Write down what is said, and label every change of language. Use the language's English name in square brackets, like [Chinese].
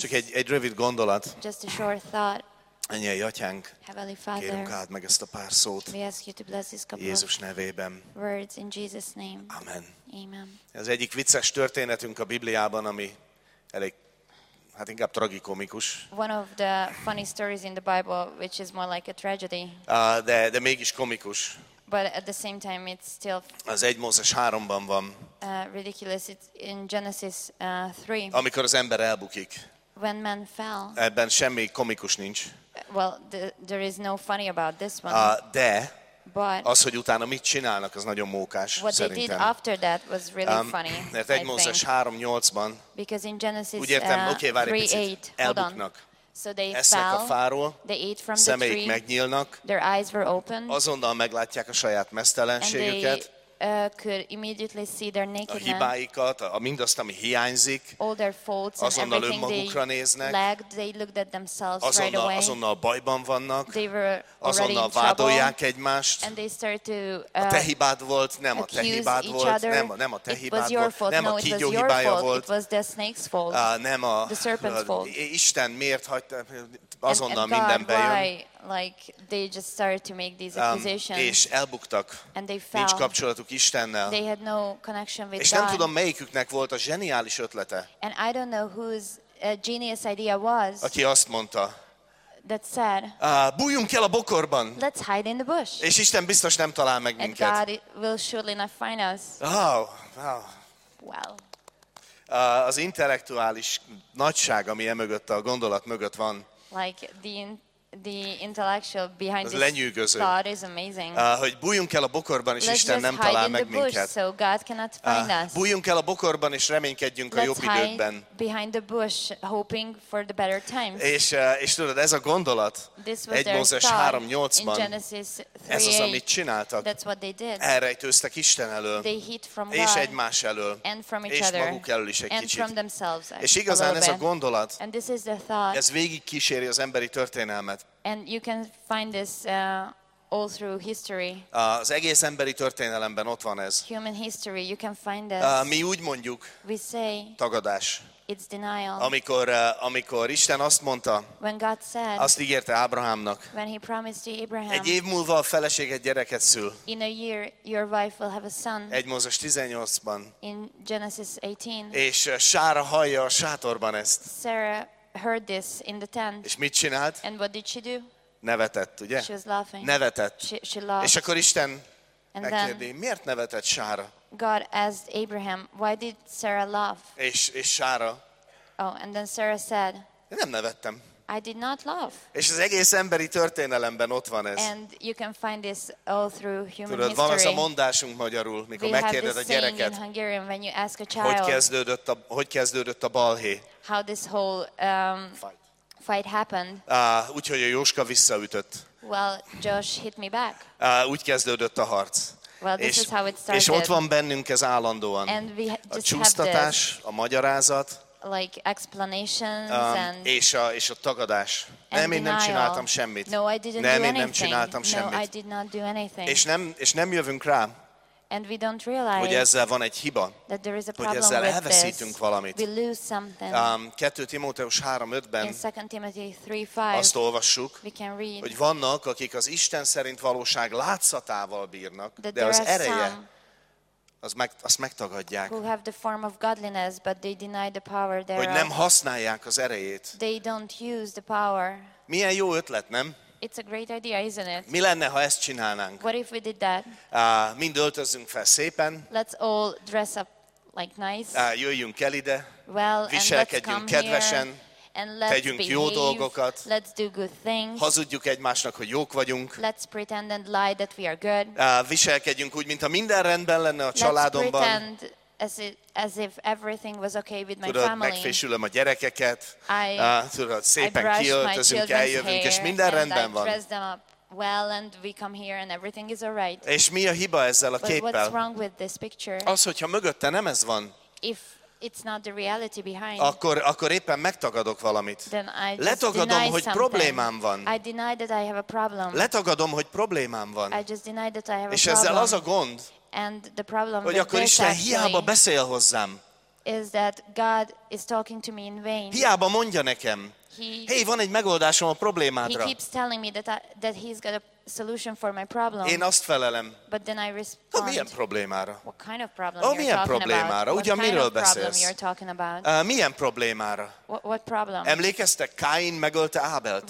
[Hungarian] Csak egy rövid gondolat. [English] Just a short thought. [Hungarian] Ennyi, Atyánk, [English] Heavenly Father, [Hungarian] kérünk áld meg ezt a pár szót. [English] We ask you to bless this couple [Hungarian] Jézus nevében. [English] Words in Jesus name. [Hungarian] Amen. [English] Amen. [Hungarian] Ez egyik vicces történetünk a Bibliában, ami elég, hát inkább tragikomikus. [English] One of the funny stories in the Bible, which is more like a tragedy. [Hungarian] De mégis komikus. [English] But at the same time, it's still. [Hungarian] Az 1 Mózes 3-ban van. [English] ridiculous. It's in Genesis 3. [Hungarian] Amikor az ember elbukik. [English] When man fell. [Hungarian] Ebben semmi komikus nincs. [English] Well, there is no funny about this one. [Hungarian] De [English] but [Hungarian] az, hogy utána mit csinálnak, az nagyon mókás [English] what [Hungarian] szerintem. [English] They did after that was really funny. [Hungarian] Mert 1 Mózes 3:8-ban. [English] Because in Genesis [Hungarian] úgy értem, okay, várj egy picit, elbuknak. [English] So they fell. [Hungarian] A fáról, [English] they ate from the tree. [Hungarian] Szemeik megnyílnak. [English] Their eyes were open. [Hungarian] Azonnal meglátják a saját meztelenségüket. [English] Could immediately see their nakedness. [Hungarian] A hibáikat, a mindazt, ami hiányzik. [English] All their faults and everything they [Hungarian] néznek, [English] lagged, they looked at themselves [Hungarian] azonnal, [English] right away. [Hungarian] Azonnal bajban vannak. [English] They were [Hungarian] azonnal vádolják egymást. [English] And they started to [Hungarian] a te hibád volt, nem a te hibád volt, nem a te hibád volt, nem a kígyó hibája volt. [English] It was the snake's fault. [Hungarian] Nem a [English] the serpent's fault. [Hungarian] Isten miért hagyta, azonnal minden bejön. [English] Like they just started to make these accusations. [Hungarian] És elbuktak. [English] And they fell. [Hungarian] Nincs kapcsolatuk Istennel. [English] They had no connection with [Hungarian] God. És nem tudom, melyiküknek volt a zseniális ötlete. [English] And I don't know whose genius idea was. [Hungarian] Aki azt mondta. [English] That said. [Hungarian] Bújjunk el a bokorban. [English] Let's hide in the bush. [Hungarian] És Isten biztos nem talál meg [English] and [Hungarian] minket. [English] God will surely not find us. Oh, wow. Well. [Hungarian] Az intellektuális nagyság, ami emögött a gondolat mögött van. [English] Like the intellectual behind this [Hungarian] lenyűgöző. [English] Thought is amazing. [Hungarian] Hogy bújjunk el a bokorban, és [English] let's [Hungarian] Isten nem talál meg [English] bush, [Hungarian] minket. [English] So God cannot find us. [Hungarian] Bújjunk el a bokorban, és reménykedjünk [English] let's [Hungarian] a jobb időkben. [English] Behind the bush, hoping for the better times. [Hungarian] És tudod, ez a gondolat, 1 Mózes 3:8-ban, ez az, amit csináltak. [English] That's what they did. [Hungarian] Elrejtőztek Isten elől, [English] they hid from God, [Hungarian] és egymás elől, [English] and from each [Hungarian] és [English] other, [Hungarian] maguk elől is egy [English] and [Hungarian] kicsit. [English] From themselves, [Hungarian] és igazán a ez a gondolat, [English] and this is the thought, [Hungarian] ez végig kíséri az emberi történelmet. [English] And you can find this all through history. [Hungarian] Az egész emberi történelemben ott van ez. [English] Human history, you can find this. [Hungarian] Mi úgy mondjuk, [English] we say, [Hungarian] tagadás. [English] It's denial. [Hungarian] Amikor Isten azt mondta, [English] when God said, [Hungarian] azt ígérte Ábrahámnak, [English] when he promised to Abraham, [Hungarian] egy év múlva a feleség egy gyereket szül. [English] In a year, your wife will have a son. [Hungarian] 1 Mózes 18-ban. [English] In Genesis 18. [Hungarian] És Sára hallja a sátorban ezt. [English] Sarah heard this in the tent. [Hungarian] És mit csinált? [English] And what did she do? [Hungarian] Nevetett, ugye? [English] She was laughing. [Hungarian] Nevetett. [English] She laughed. [Hungarian] És akkor Isten megkérdi, miért nevetett Sára? [English] God asked Abraham, why did Sarah laugh? [Hungarian] És Sára? [English] Oh, and then Sarah said, [Hungarian] én nem nevettem. [English] I did not laugh. [Hungarian] És az egész emberi történelemben ott van ez. [English] And you can find this all through human history. [Hungarian] Tudod, van az a mondásunk magyarul, mikor [English] we [Hungarian] megkérded a gyereket. [English] We have this saying in Hungarian, when you ask a child, [Hungarian] hogy kezdődött a balhé? [English] How this whole fight happened. [Hungarian] Úgyhogy a Jóska visszaütött. [English] Well, Josh hit me back. [Hungarian] Úgy kezdődött a harc. [English] Well, this is how it started. [Hungarian] És ott van bennünk ez állandóan. [English] And we just [Hungarian] a csúsztatás, [English] have this, [Hungarian] a magyarázat. [English] Like explanations and [Hungarian] és a tagadás. [English] And [Hungarian] nem, én [English] denial. [Hungarian] Nem csináltam semmit. [English] No, I didn't [Hungarian] nem, [English] do anything. [Hungarian] Nem csináltam [English] no, [Hungarian] semmit. [English] I did not do anything. [Hungarian] És nem jövünk rá. [English] And we don't realize [Hungarian] hogy ezzel van egy hiba, [English] that there is a [Hungarian] hogy ezzel elveszítünk [English] this. [Hungarian] Valamit. [English] We lose something. [Hungarian] 2 Timóteus 3:5-ben azt olvassuk, [English] we can read, [Hungarian] hogy vannak, akik az Isten szerint valóság látszatával bírnak, [English] that [Hungarian] de az ereje, azt megtagadják. [English] Who have the form of godliness, but they deny the power thereof. [Hungarian] Hogy nem használják az erejét. [English] They don't use the power. [Hungarian] Milyen jó ötlet, nem? [English] It's a great idea, isn't it? [Hungarian] Mi lenne, ha ezt csinálnánk? [English] What if we did that? [Hungarian] Mind öltözzünk fel szépen. [English] Let's all dress up like nice. [Hungarian] Jöjjünk el ide. [English] Well, [Hungarian] viselkedjünk kedvesen. [English] And let's [Hungarian] tegyünk [English] behave, [Hungarian] jó dolgokat. [English] Let's do good things. [Hungarian] Hazudjuk egymásnak, hogy jók vagyunk. [English] Let's pretend and lie that we are good. [Hungarian] Viselkedjünk úgy, mintha minden rendben lenne a családomban. [English] Let's pretend as if everything was okay with my [Hungarian] tudod, [English] family. [Hungarian] Megfésülöm a gyerekeket. Tudod, szépen kiöltözünk, eljövünk, és minden [English] and [Hungarian] rendben [English] I [Hungarian] van. [English] Dress them up well and we come here and everything is all right. [Hungarian] És mi a hiba ezzel a [English] but [Hungarian] képpel? [English] What's wrong with this picture? [Hungarian] Az, hogyha mögötte nem ez van. [English] If it's not the reality behind. [Hungarian] Akkor éppen megtagadok valamit. [English] Then I just [Hungarian] letagadom, [English] deny [Hungarian] hogy [English] something. [Hungarian] Problémám van. [English] I deny that I have a problem. [Hungarian] Letagadom, hogy problémám van. [English] I just deny that I have [Hungarian] és a ezzel [English] problem. [Hungarian] Az a gond, [English] and the problem [Hungarian] hogy akkor Isten hiába beszél hozzám. [English] Is that God is talking to me in vain. [Hungarian] Hiába mondja nekem. [English] Hey, [Hungarian] van egy megoldásom a problémádra. [English] He keeps telling me that he's got a solution for my problem. [Hungarian] Én azt felelem. [English] But then I respond. [Hungarian] Milyen problémára? [English] What kind of problem you're talking about? [Hungarian] Problémára? [English] What kind [Hungarian] miről [English] of problem you're talking about? [Hungarian] Milyen problémára? [English] What problem? [Hungarian] Emlékeztek, Káin megölte Ábelt.